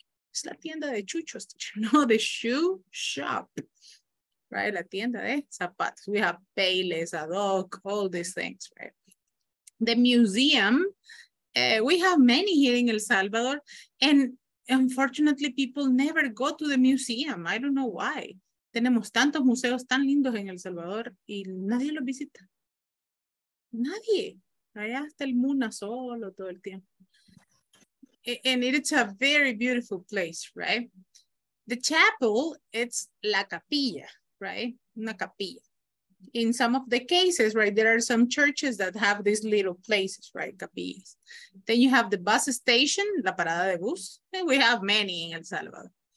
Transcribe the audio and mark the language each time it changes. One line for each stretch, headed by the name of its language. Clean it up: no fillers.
English: It's
Spanish: la tienda de chuchos, no,
English: the shoe shop, right?
Spanish: La tienda de zapatos.
English: We have Payless, Adok, all these things, right? The museum, we have many here in El Salvador, and unfortunately, people never go to the museum. I don't know why.
Spanish: Tenemos tantos museos tan lindos en El Salvador y nadie los visita. Nadie. Allá está el Muna solo todo el tiempo.
English: And it's a very beautiful place, right? The chapel, it's
Spanish: la capilla,
English: right?
Spanish: Una capilla.
English: in some of the cases, right, there are some churches that have these little places, right, capillas. Then you have the bus station,
Spanish: la parada de bus,
English: and we have many in El Salvador.